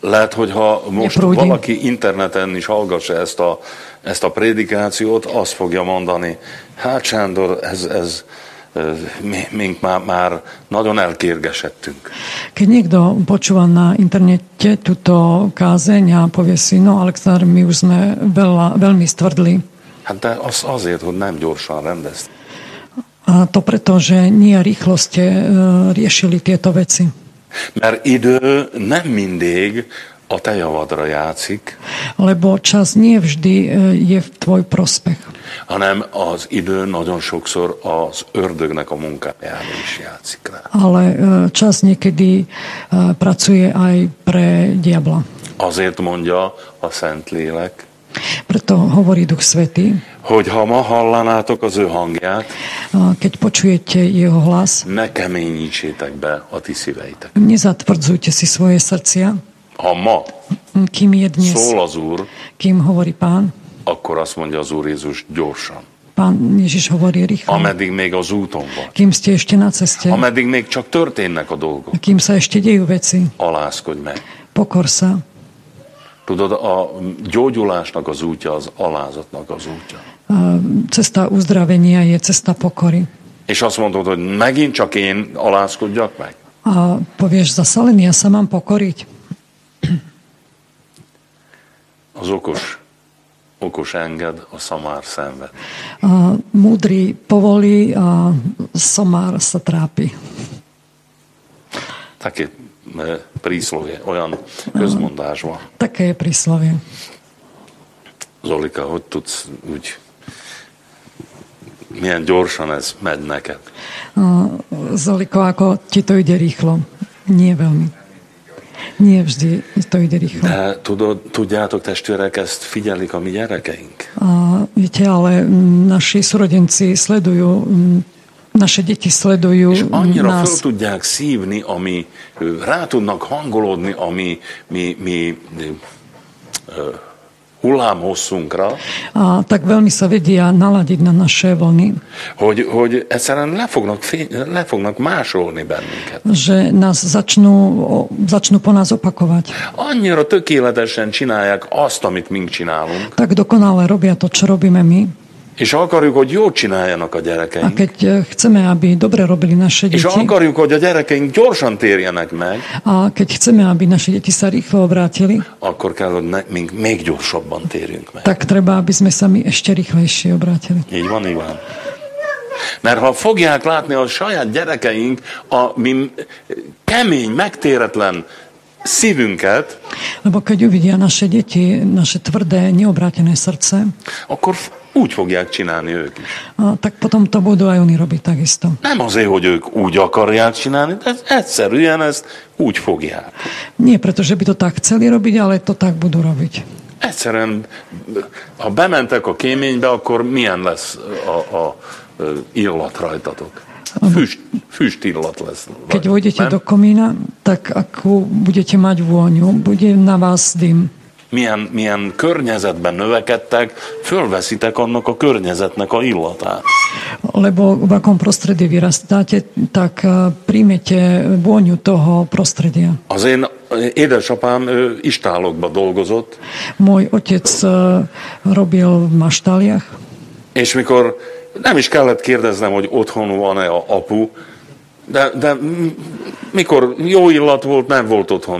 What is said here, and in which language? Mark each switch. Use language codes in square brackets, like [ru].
[hu] Lehet, hogyha most valaki interneten is hallgassa ezt a prédikációt, azt fogja mondani, hát Sándor, ez mink már nagyon elkérgesedtünk. [sk] Keď niekto počúva na internete túto kázeň a povie si, no Alexander, my už sme veľmi stvrdli. [hu] Hát de azért, hogy nem gyorsan rendezt. [sk] A to preto, že nie rýchlo ste riešili tieto veci. [hu] Mert idő nem mindig a te javadra játszik. [sk] Lebo čas nie vždy je v tvoj prospech. [hu] Hanem az idő nagyon sokszor az ördögnek a munkájára is játszik rá. [sk] Ale čas niekedy pracuje aj pre diabla. [hu] Azért mondja a Szentlélek. [sk] Preto hovorí Duch Svätý. [hu] Hogy ha ma hallanátok az ő hangját, [sk] keď počujete jeho hlas, [hu] ne keményítsétek be a ti szíveitek. [sk] Nezatvrdzujte si svoje srdcia. [hu] Ha ma [sk] kým je dnes, [hu] szól az Úr, [sk] kým hovorí Pán, [hu] akkor azt mondja az Úr Jézus gyorsan. [sk] Pán Ježiš hovorí rýchlo. [hu] Ameddig még az úton van. [sk] Kým ste ešte na ceste. [hu] Ameddig még csak történnek a dolgok. [sk] Kým sa ešte dejú veci. [hu] Alázkodj meg. [sk] Pokor sa. [hu] Tudod, a gyógyulásnak az útja az alázatnak az útja. [sk] A cesta uzdravenia je cesta pokory. [hu] És azt mondod, hogy megint csak én alázkodjak meg. [sk] A povieš, zase len ja sa mám pokoriť. [hu] Az okos enged, a szamár szenved. [sk] A múdri povolí, a szamár sa trápi. Také príslovie, [hu] olyan közmondás van. [sk] Také je príslovie. [hu] Zolika, hogy tudsz úgy, milyen gyorsan ez megy neked? [sk] Zoliko, ako ti to ide rýchlo? Nie veľmi. Nie vždy to ide rýchlo. [hu] De tudjátok, testvérek, ezt figyelik a mi gyerekeink? [sk] Viete, ale naši súrodenci sledujú, naše deti sledujú nás. [hu] És annyira föl tudják szívni, ami rá tudnak hangolódni a mi hullámhosszunkra. [sk] A tak veľmi sa vedia naladiť na naše vlny. [hu] Hogy egyszerűen le fognak másolni bennünket. [sk] Že nás začnú po nás opakovať. [hu] Annyira tökéletesen csinálják azt, amit mink csinálunk. [sk] Tak dokonale robia to, čo robíme my. [hu] És akarjuk, hogy jót csináljanak a gyerekeink. [sk] Akit chceme, aby dobre robili naše deti. [hu] És akarjuk, hogy a gyerekeink gyorsan térjenek meg. [sk] Akit chceme, aby naše deti sa rýchlo obrátili. [hu] Akkor kell, hogy még gyorsabban térjünk meg. [sk] Tak treba, aby sme sa mi ešte rýchlejšie obrátili. [hu] Így van, így van. Mert ha fogják látni a saját gyerekeink a mi kemény, megtéretlen szívünket, [sk] lebo keď uvidia naše deti, naše tvrdé, neobrátené srdce, [hu] akkor úgy fogják csinálni ők is. [sk] Tak potom to budú aj oni robiť takisto. [hu] Nem azért, hogy ők úgy akarják csinálni, de egyszerűen ezt úgy fogják. [sk] Nie, pretože by to tak chceli robiť, ale to tak budú robiť. [hu] Egyszerűen, ha bementek a kéménybe, akkor milyen lesz a illat rajtatok? Füst illat lesz. [sk] Keď vôjdete do komína, tak akú budete mať vôňu, bude na vás dym. [hu] Milyen környezetben növekedtek, fölveszitek annak a környezetnek a illatát. [sk] Lebo v akom prostredí vyrastáte, tak príjmete vôňu toho prostredia. [hu] Az én édesapám istálokba dolgozott. [sk] Môj otec robil v mastáliach. [hu] És mikor nem is kellett kérdeznem, hogy otthon van-e a apu, de mikor jó illat volt, nem volt otthon.